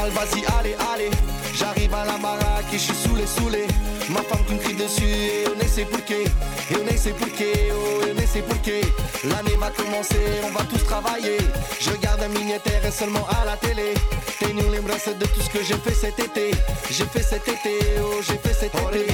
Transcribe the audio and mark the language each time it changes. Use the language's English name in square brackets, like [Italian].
[French] Vas-y, allez, allez, j'arrive à la baraque, je suis saoulé, saoulé. Ma femme qui me crie dessus, [Portuguese] eu nem sei porquê, eu nem sei porquê, oh, eu nem sei porquê. [French] L'année va commencer, on va tous travailler. Je regarde [Portuguese] a minha terra [French] seulement à la télé. [Portuguese] Tenho lembrança de [French] tout ce que j'ai fait cet été. J'ai fait cet été, oh, j'ai fait cet été.